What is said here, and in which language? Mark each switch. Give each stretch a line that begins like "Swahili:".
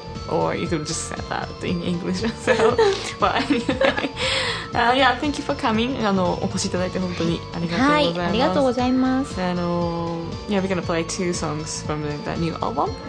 English: Or you could just say that in English. So, but anyway, yeah, thank you for coming.
Japanese: お越しいただいて本当にありがとうございます。はい、ありがとうございます。
English: Yeah, we're gonna play two songs from that new album.